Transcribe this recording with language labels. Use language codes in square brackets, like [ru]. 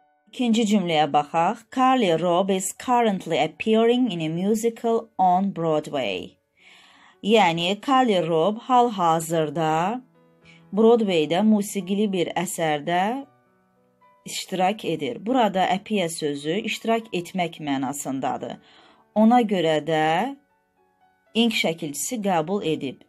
[az] İkinci cümləyə baxaq. [en] Carly Rae is currently appearing in a musical on Broadway. [az] Yəni, Carly Rae hal-hazırda Broadway-də musiqili bir əsərdə iştirak edir. Burada appear sözü iştirak etmək mənasındadır. Ona görə də ink şəkilçisi qəbul edib.